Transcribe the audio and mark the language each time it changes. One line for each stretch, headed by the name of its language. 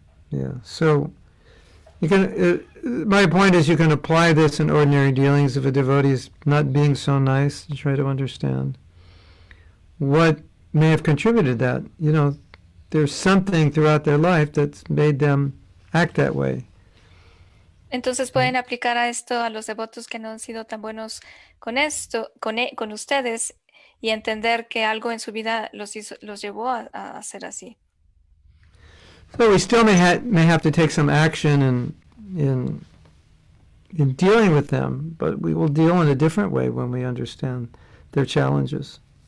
English: Yeah. So you can. My point is, you can apply this in ordinary dealings if a devotee is not being so nice, to try to understand what may have contributed that. You know, there's something throughout their life that's made them act that way.
Spanish: Entonces pueden aplicar a esto a los devotos que no han sido tan buenos con esto, con ustedes, y entender que algo en su vida los llevó a hacer así.
English: So we still may have to take some action in dealing with them, but we will deal in a different way when we understand their challenges.